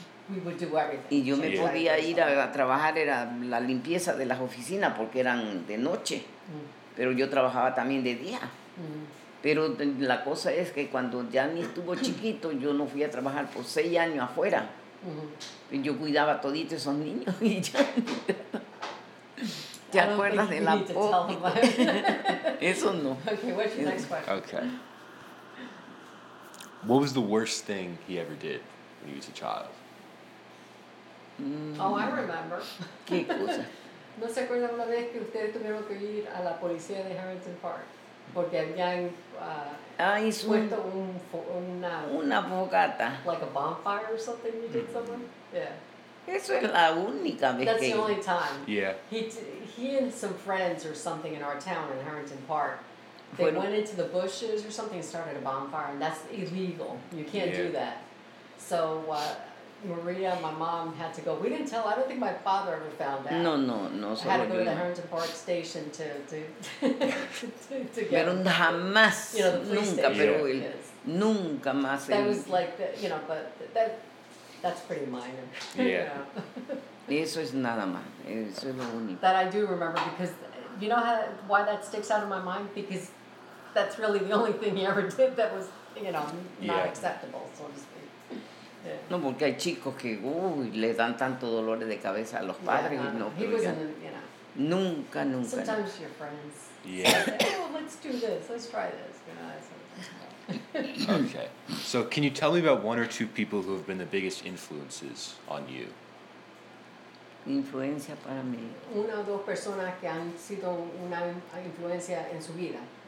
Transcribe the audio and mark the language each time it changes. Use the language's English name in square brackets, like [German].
[English] we would do everything. [Spanish] Y yo me podía ir a trabajar, era la limpieza de las oficinas, porque eran de noche. Pero yo trabajaba también de día. Pero la cosa es que cuando Gianni estuvo chiquito, yo no fui a trabajar por 6 años afuera. Yo cuidaba todito esos niños y ya. ¿Te acuerdas de la pobre? Eso no. [English] Okay, what's your next question? Okay. What was the worst thing he ever did when he was a child? Oh, I remember. [Spanish] ¿Qué cosa? ¿No se acuerdan una vez que ustedes tuvieron que ir a la policía de Harrington Park? Porque habían puesto una fogata. [English] Like a bonfire or something you did someone? Yeah. [Spanish] Eso es la única vez que... [English] That's the only time. Yeah. He and some friends or something in our town in Harrington Park, they went into the bushes or something and started a bonfire, and that's illegal. You can't do that. So... Maria, my mom had to go. We didn't tell. I don't think my father ever found out. No. I had to go to the Harrington Park station to get. [Spanish] Pero jamás. [English] You know, the police [Spanish] nunca, [English] station. [Spanish] Pero nunca más. [English] That was like the, you know, but that's pretty minor. Yeah. [Spanish] Eso es nada más. Eso es lo único. [English] That I do remember because you know how why that sticks out in my mind because that's really the only thing he ever did that was you know not acceptable. So to speak. Yeah. [Spanish] No, porque hay chicos que le dan tanto dolores de cabeza a los padres. [English] Yeah, [Spanish] no, [English] he wasn't, you know. [Spanish] Nunca. [English] Sometimes your friends say, well, let's do this, let's try this. You know, okay. So can you tell me about one or two people who have been the biggest influences on you? [Spanish] Influencia para mí. Una o dos personas que han sido una influencia en su vida.